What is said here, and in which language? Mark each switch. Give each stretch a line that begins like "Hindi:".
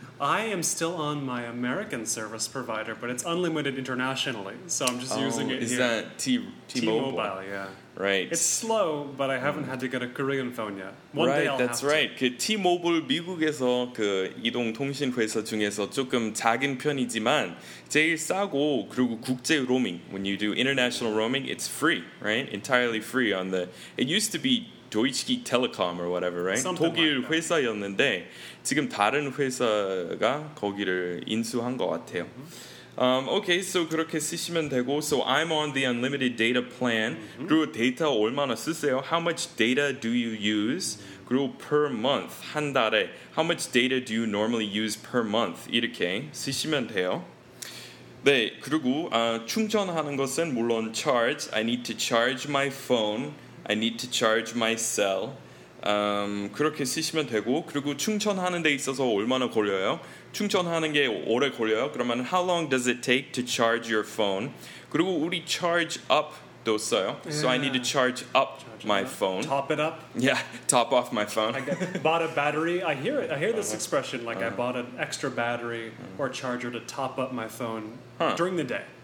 English: I am still on my American service provider, but it's unlimited internationally, so I'm just using it is here. Is that T-Mobile? Yeah. Right. It's slow, but I haven't had to get a Korean phone yet. One day I'll have to.
Korean: T-Mobile 미국에서 그 이동통신회사 중에서 조금 작은 편이지만 제일 싸고 그리고 국제 로밍.
English: When you do international roaming, it's free, right? Entirely free on the... It used to be Deutsche Telekom or whatever, right? 독일 like
Korean: 회사였는데 지금 다른 회사가 거기를 인수한 것 같아요.
English: Okay, so
Korean: 그렇게 쓰시면 되고
English: So I'm on the unlimited data plan.
Korean: 그리고 데이터 얼마나 쓰세요?
English: How much data do you use?
Korean: 그리고 per month, 한 달에
English: How much data do you normally use per month?
Korean: 이렇게 쓰시면 돼요. 네, 그리고 충전하는 것은 물론 charge
English: I need to charge my phone I need to charge my cell.
Korean: 그렇게 쓰시면 되고 그리고 충전하는 데 있어서 얼마나 걸려요? 충전하는 게 오래 걸려요?
English: 그러면 how long does it take to charge your phone?
Korean: 그리고 우리 charge up도 써요.
English: Yeah. So I need to charge up my phone. Top it up? Yeah, top off my phone. Bought a battery. I hear this expression like I bought an extra battery or charger to top up my phone during the day.